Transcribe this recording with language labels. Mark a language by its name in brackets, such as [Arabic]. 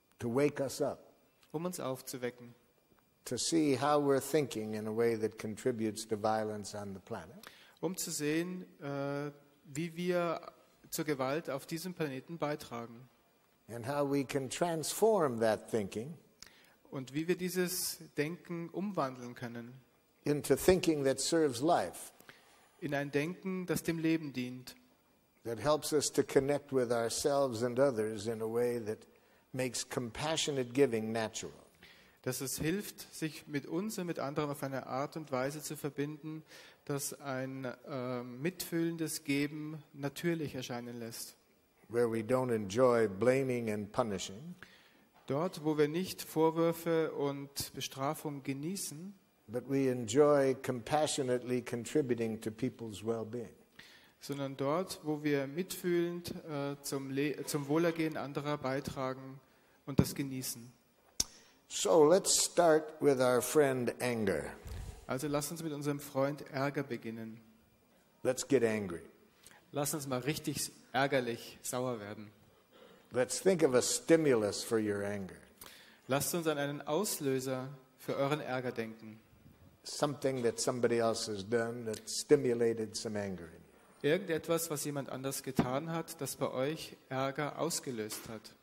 [English] to wake us up, [German] um uns aufzuwecken, [English] to see how we're thinking in a way that contributes to violence on the planet, [German] um zu sehen, wie wir zur Gewalt auf diesem Planeten beitragen, [English] and how we can transform that thinking, [German] und wie wir dieses Denken umwandeln können, [English] into thinking that serves life, [German] in ein Denken, das dem Leben dient. [English] That helps us to connect with ourselves and others in a way that makes compassionate giving natural. [German] dass es hilft, sich mit uns und mit anderen auf eine Art und Weise zu verbinden, dass ein mitfühlendes Geben natürlich erscheinen lässt. [English] Where we don't enjoy blaming and punishing. [German] Dort, wo wir nicht Vorwürfe und Bestrafung genießen, [English] but we enjoy compassionately contributing to people's well-being. [German] Sondern dort, wo wir mitfühlend zum Wohlergehen anderer beitragen und das genießen. [English] So let's start with our friend anger. [German] Also lass uns mit unserem Freund Ärger beginnen. [English] Let's get angry. [German] Lass uns mal richtig ärgerlich, sauer werden. [English] Let's think of a stimulus for your anger. [German] Lasst uns an einen Auslöser für euren Ärger denken. [English] Something that somebody else has done that stimulated some anger in you. [German] Irgendetwas, was jemand anders getan hat, das bei euch Ärger ausgelöst hat.